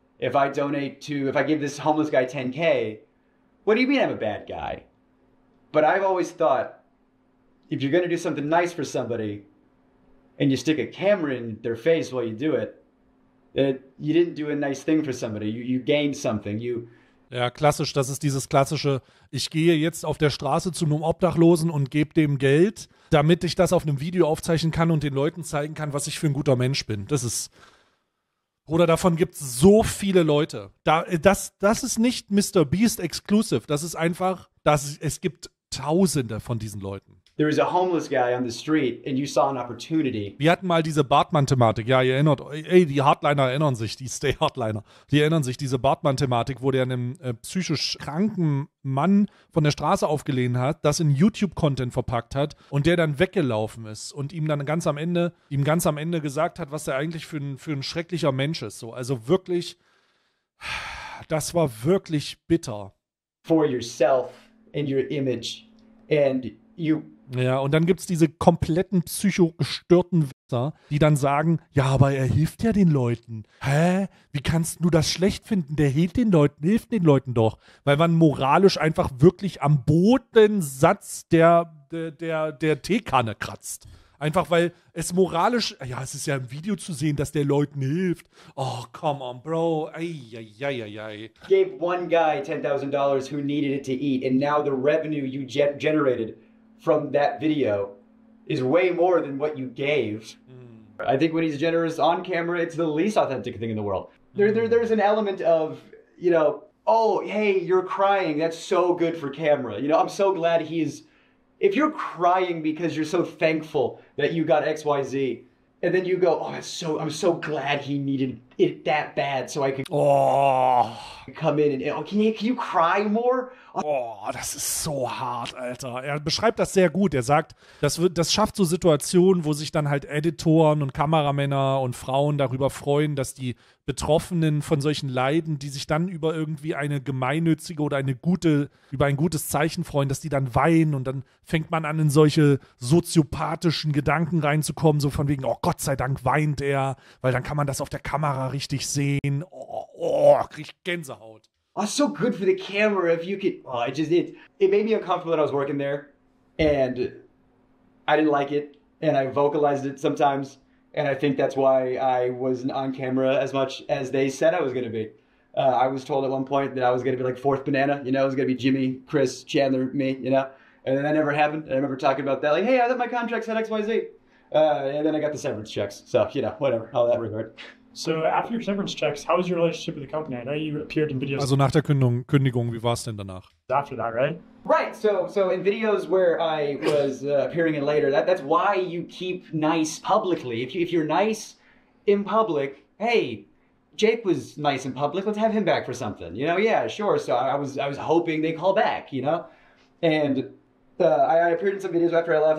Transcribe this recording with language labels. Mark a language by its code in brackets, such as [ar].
[en] If I give this homeless guy 10K, what do you mean I'm a bad guy? But I've always thought, if you're gonna do something nice for somebody and you stick a camera in their face while you do it, that you didn't do a nice thing for somebody. You gained something. [de] Ja, klassisch, das ist dieses klassische, ich gehe jetzt auf der Straße zu einem Obdachlosen und gebe dem Geld, damit ich das auf einem Video aufzeichnen kann und den Leuten zeigen kann, was ich für ein guter Mensch bin. Das ist, Bruder, davon gibt es so viele Leute. Das ist nicht Mr. Beast Exclusive. Das ist einfach, es gibt Tausende von diesen Leuten. [en] There is a homeless guy on the street and you saw an opportunity. [de] Wir hatten mal diese Bartmann-Thematik. Ja, ihr erinnert euch. Ey, die Hardliner erinnern sich, die Stay-Hardliner. Die erinnern sich, diese Bartmann-Thematik, wo der einem psychisch kranken Mann von der Straße aufgelehnt hat, das in YouTube-Content verpackt hat und der dann weggelaufen ist und ihm ganz am Ende gesagt hat, was er eigentlich für ein schrecklicher Mensch ist. So, also wirklich, das war wirklich bitter. [en] For yourself and your image and you. [de] Ja, und dann gibt's diese kompletten psychogestörten Witzer, die dann sagen, ja, aber er hilft ja den Leuten. Hä? Wie kannst du das schlecht finden? Der hilft den Leuten doch. Weil man moralisch einfach wirklich am Bodensatz der Teekanne kratzt. Einfach weil es moralisch, ja, es ist ja im Video zu sehen, dass der Leuten hilft. [en] Oh, come on, bro. Eieieiei. Gave one guy $10,000 who needed it to eat and now the revenue you generated from that video is way more than what you gave. Mm. I think when he's generous on camera, it's the least authentic thing in the world. Mm. There's an element of, you know, oh, hey, you're crying. That's so good for camera. You know, I'm so glad he's, if you're crying because you're so thankful that you got XYZ, and then you go, oh, I'm so glad he needed it that bad so I could come in and, oh, can you cry more? [de] Oh, das ist so hart, Alter. Er beschreibt das sehr gut. Er sagt, das schafft so Situationen, wo sich dann halt Editoren und Kameramänner und Frauen darüber freuen, dass die Betroffenen von solchen Leiden, die sich dann über irgendwie eine gemeinnützige oder eine gute, über ein gutes Zeichen freuen, dass die dann weinen und dann fängt man an, in solche soziopathischen Gedanken reinzukommen, so von wegen, oh Gott sei Dank weint er, weil dann kann man das auf der Kamera richtig sehen. Oh, krieg ich Gänsehaut. [en] Oh, so good for the camera if you could. Oh, it made me uncomfortable that I was working there and I didn't like it and I vocalized it sometimes and I think that's why I wasn't on camera as much as they said I was going to be. I was told at one point that I was going to be like fourth banana, you know, it was going to be Jimmy, Chris, Chandler, me, you know, and then that never happened. And I remember talking about that, like, hey, I thought my contract said XYZ. And then I got the severance checks. So, you know, whatever, all that regard. So after your severance checks, how was your relationship with the company? I know you appeared in videos. [de] Also nach der Kündigung, wie war es denn danach? [en] After that, right? Right. So in videos where I was appearing in later, that's why you keep nice publicly. If you're nice in public, hey, Jake was nice in public. Let's have him back for something. You know, yeah, sure. So I was hoping they call back, you know? And I appeared in some videos after I left.